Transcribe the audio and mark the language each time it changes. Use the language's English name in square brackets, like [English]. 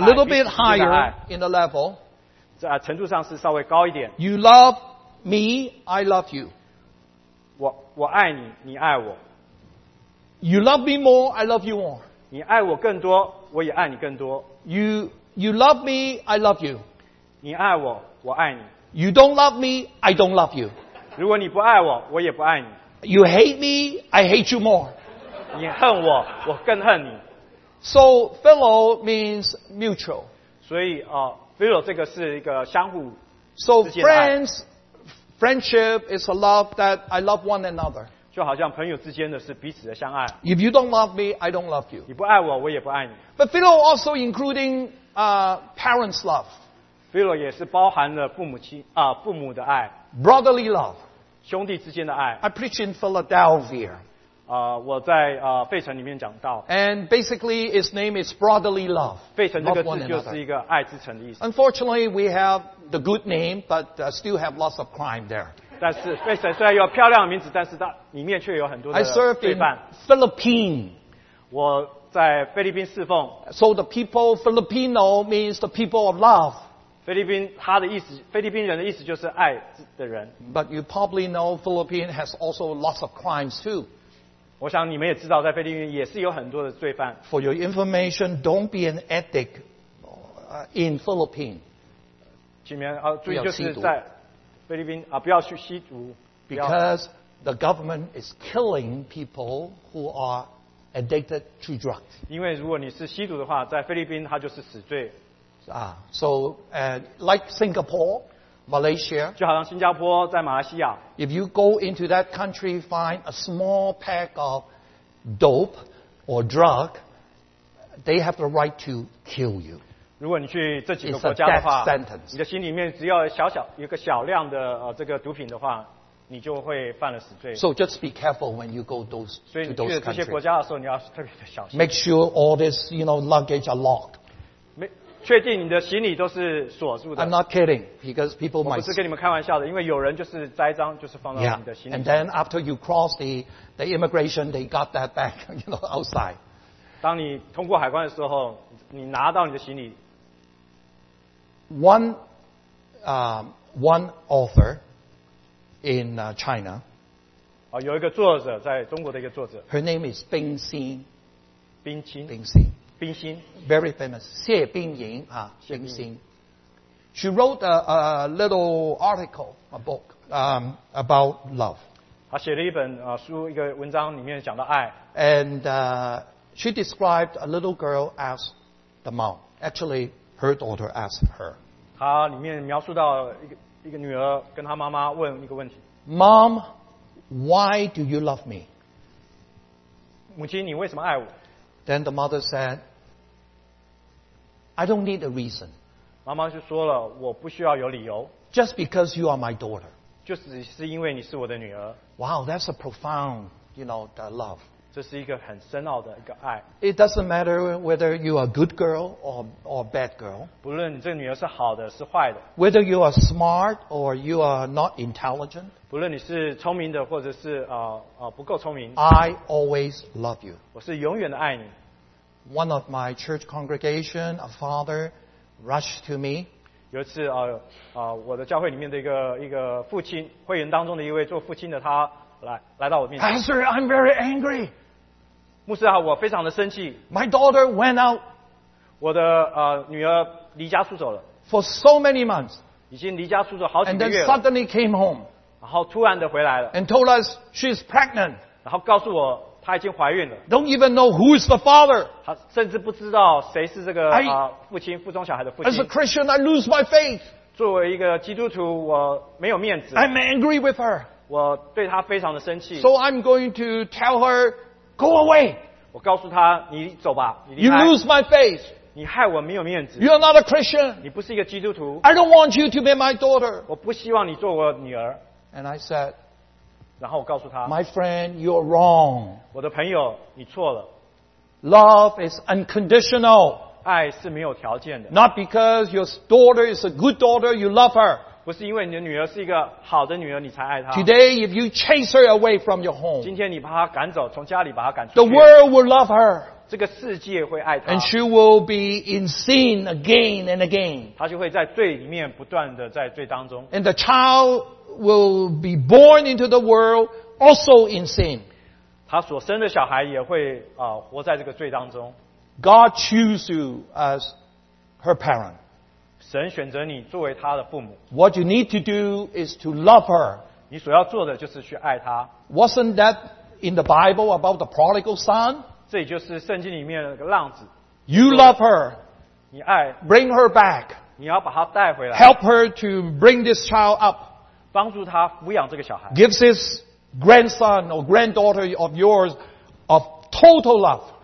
[English] A little bit higher in the level. [Chinese] 程度上是稍微高一点。 [English] You love me, I love you. [Chinese] 我爱你，你爱我。 [English] You love me more, I love you more. [Chinese] 你爱我更多，我也爱你更多。 [English] You love me, I love you. [Chinese] 你爱我，我爱你。 [English] You don't love me, I don't love you. [Chinese] 如果你不爱我，我也不爱你。 [English] You hate me, I hate you more. [Chinese] 你恨我，我更恨你。 [English] So, philo means mutual. [Chinese] 所以philo 这个是一个相互。 [English] So, friendship is a love that I love one another. [Chinese] 就好像朋友之间的是彼此的相爱。 [English] If you don't love me, I don't love you. [Chinese] 你不爱我，我也不爱你。 [English] But philo also including parents' love. [Chinese] Philo 也是包含了父母的爱。 [English] Brotherly love. [Chinese] 兄弟之间的爱。 [English] I preach in Philadelphia. [Chinese] 我在费城里面讲到。 [English] And basically, its name is brotherly love. [Chinese] 费城这个字就是一个爱之城的意思。 [English] Unfortunately, we have the good name, but still have lots of crime there. [Chinese] 但是费城虽然有漂亮的名字，但是它里面却有很多的罪犯。 [English] I served in Philippines. [Chinese] 我在菲律宾侍奉。 [English] So the people Filipino means the people of love. [Chinese] 菲律宾人的意思就是爱的人。 [English] But you probably know Philippines has also lots of crimes too. [Chinese] 我想你们也知道，在菲律宾也是有很多的罪犯。 [English] For your information, don't be an addict in Philippines. [Chinese] 请你们注意，就是在。菲律宾不要去吸毒 [English] Because the government is killing people who are addicted to drugs. [Chinese] 因为如果你是吸毒的话，在菲律宾它就是死罪。 [English] Like Singapore, Malaysia. [Chinese] 就好像新加坡，在马来西亚。 [English] If you go into that country, find a small pack of dope or drug, they have the right to kill you. [Chinese] 如果你去这几个国家的话，你的心里面只要有个小量的这个毒品的话，你就会犯了死罪。 [English] So just be careful when you go those. [Chinese] 所以你去这些国家的时候，你要特别的小心。 [English] Make sure all this, you know, luggage are locked. [Chinese] 确定你的行李都是锁住的。 [English] I'm not kidding, because people might. [Chinese] 我不是跟你们开玩笑的，因为有人就是栽赃，就是放到你的行李上。 [English] Yeah. And then after you cross the immigration, they got that back, you know, outside. [Chinese] 当你通过海关的时候，你拿到你的行李。 [English] One author in China. [Chinese] 有一个作者，在中国的一个作者。 [English] Her name is 冰心。 [Chinese] 冰心。冰心。冰心。 [English] Very famous， 谢冰莹啊，冰心。 She wrote a little article, a book, about love. [Chinese] 她写了一本书，一个文章里面讲到爱。 [English] And she described a little girl as the mom. Actually, her daughter asked her. [Chinese] 她里面描述到一个女儿跟她妈妈问一个问题。 [English] Mom, why do you love me? [Chinese] 母亲，你为什么爱我？ [English] Then the mother said, I don't need a reason. [Chinese] 妈妈就说了，我不需要有理由。 [English] Just because you are my daughter. [Chinese] 就只是因为你是我的女儿。 [English] Wow, that's a profound, you know, the love. [Chinese] 这是一个很深奥的一个爱。 [English] It doesn't matter whether you are a good girl or a bad girl. [Chinese] 不论你这个女儿是好的是坏的。 [English] Whether you are smart or you are not intelligent. [Chinese] 不论你是聪明的或者是不够聪明。 [English] I always love you. [Chinese] 我是永远的爱你。 [English] One of my church congregation, a father,Rush to me. [Chinese] 有一次我的教会里面的一个父亲，会员当中的一位做父亲的他来到我面前。 [English] Pastor, I'm very angry. [Chinese] 牧师啊，我非常的生气。 [English] My daughter went out. [Chinese] 我的女儿离家出走了。 [English] For so many months. [Chinese] 已经离家出走好几个月了。 [English] And then suddenly came home. [Chinese] 然后突然的回来了。 [English] And told us she's pregnant. [Chinese] 然后告诉我她已经怀孕了。 [English] Don't even know who is the father. [Chinese] 她甚至不知道谁是这个父亲，腹中小孩的父亲。 [English] As a Christian, I lose my faith. [Chinese] 作为一个基督徒，我没有面子。 [English] I'm angry with her. [Chinese] 我对她非常的生气。 [English] So I'm going to tell her, go away. [Chinese] 我告诉她，你走吧，你离开。 [English] You lose my faith. [Chinese] 你害我没有面子。 [English] You are not a Christian. [Chinese] 你不是一个基督徒。 [English] I don't want you to be my daughter. [Chinese] 我不希望你做我女儿。 [English] And I said, [Chinese] 然后我告诉他 [English] My friend, you're wrong. [Chinese] 我的朋友，你错了。 [English] Love is unconditional. [Chinese] 爱是没有条件的。 [English] Not because your daughter is a good daughter, you love her. [Chinese] 不是因为你的女儿是一个好的女儿，你才爱她。 [English] Today, if you chase her away from your home, [Chinese] 今天你把她赶走，从家里把她赶出去。 [English] The world will love her. [Chinese] 这个世界会爱她。 [English] And she will be in sin again and again. [Chinese] 她就会在罪里面不断的在罪当中。 [English] And the child. Will be born into the world also in sin. [Chinese] 他所生的小孩也会活在这个罪当中。 [English] God chooses you as her parent. [Chinese] 神选择你作为他的父母。 [English] What you need to do is to love her. [Chinese] 你所要做的就是去爱他。 [English] Wasn't that in the Bible about the prodigal son? [Chinese] 这就是圣经里面的那个浪子。 [English] You love her. [Chinese] 你爱。 [English] Bring her back. [Chinese] 你要把他带回来。 [English] Help her to bring this child up. [Chinese] 帮助他抚养这个小孩。 [English] Gives his grandson or granddaughter of yours of total love.